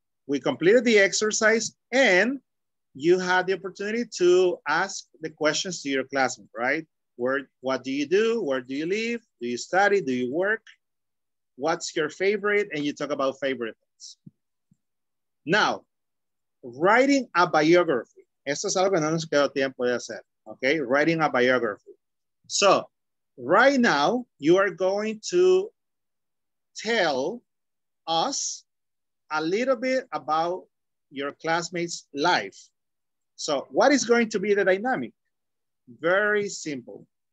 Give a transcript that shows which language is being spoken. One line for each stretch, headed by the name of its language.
English: We completed the exercise and you had the opportunity to ask the questions to your classmates, right? What do you do, where do you live, do you study, do you work, what's your favorite, and you talk about favorite things. Now, writing a biography.
Spanish: Esto es algo que no nos quedó tiempo de hacer, okay?
English: Writing a biography. So, right now, you are going to tell us a little bit about your classmates' life. So, what is going to be the dynamic? Very simple.